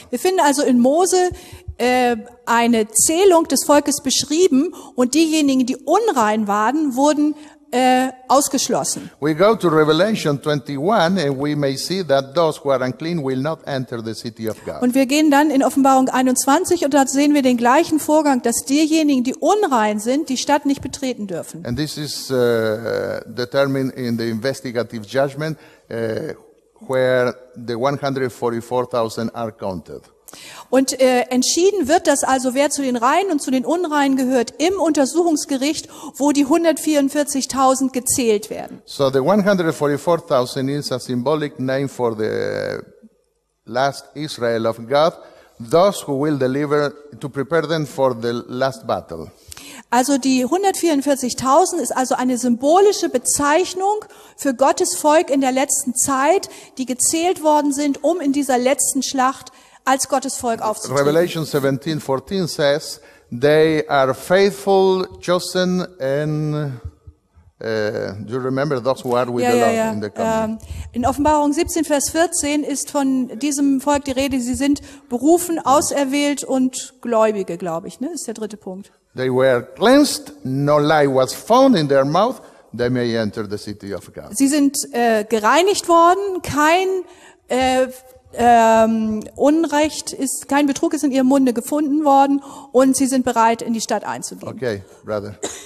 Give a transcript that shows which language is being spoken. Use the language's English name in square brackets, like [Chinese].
[German] Wir finden also in Mose eine Zählung des Volkes beschrieben und diejenigen, die unrein waren, wurden ausgeschlossen. [English] We go to Revelation 21 and we may see that those who are unclean will not enter the city of God. [German] Und wir gehen dann in Offenbarung 21 und da sehen wir den gleichen Vorgang, dass diejenigen, die unrein sind, die Stadt nicht betreten dürfen. [English] And this is determined in the investigative judgment where the 144,000 are counted. [German] Und entschieden wird das also, wer zu den Reinen und zu den Unreinen gehört, im Untersuchungsgericht, wo die 144.000 gezählt werden. [English] So the 144,000 is a symbolic name for the last Israel of God, those who will deliver, to prepare them for the last battle. [German] Also die 144.000 ist also eine symbolische Bezeichnung für Gottes Volk in der letzten Zeit, die gezählt worden sind, um in dieser letzten Schlacht als Gottes Volk aufzutreten. [English] Revelation 17:14 says they are faithful, chosen and do you remember those who are with the Lord in the coming? [German] In Offenbarung 17 Vers 14 ist von diesem Volk die Rede, sie sind berufen, auserwählt und Gläubige, glaube ich, ne? Ist der dritte Punkt. [English] They were cleansed, no lie was found in their mouth, they may enter the city of God. [German] Sie sind gereinigt worden, kein Betrug ist in ihrem Munde gefunden worden und sie sind bereit, in die Stadt einzugehen. [English] Okay, brother.